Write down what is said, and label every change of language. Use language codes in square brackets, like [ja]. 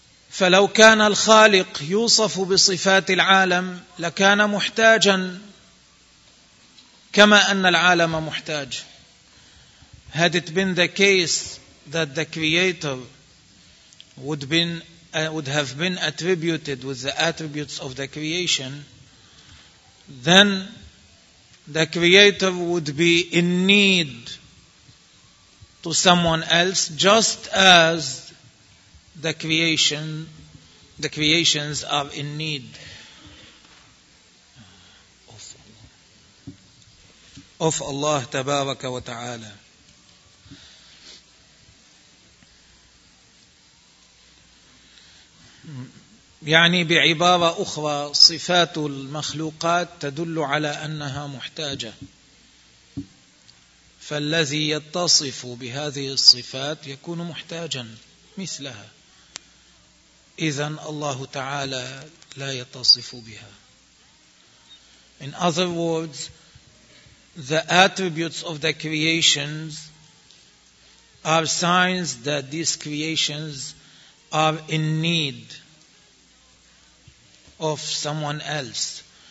[ar] فلو كان الخالق يوصف بصفات العالم لكان محتاجا كما أن العالم محتاج. [en] Had it been the case that the creator would have been attributed with the attributes of the creation, then the creator would be in need to someone else, just as the creations are in need of Allah [ar] تبارك وتعالى. يعني بعبارة أخرى، صفات المخلوقات تدل على أنها محتاجة، فالذي يتصف بهذه الصفات يكون محتاجا مثلها. إذن الله تعالى لا يتصف بها. [en] In other words, the attributes of the creations are signs that these creations are in need of someone else.